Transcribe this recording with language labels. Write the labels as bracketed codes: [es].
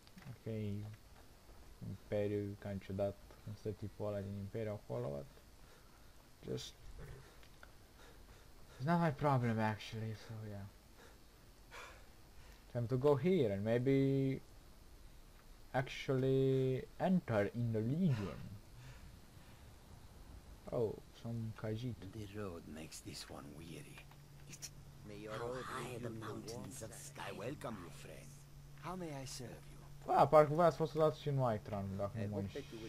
[ro] Ok, Imperiu, cam ciudat, când stă tipul ăla din Imperiu acolo, [en] but just, it's not my problem, actually, so yeah. Time to go here and maybe actually enter in the Legion. Oh, some Khajiit. The road makes this one weary. May your old high the mountains of sky welcome you, friend. How may I serve you? [ro] Ah, parcă v-ați fost dat și în White Run, dacă nu mă înșel.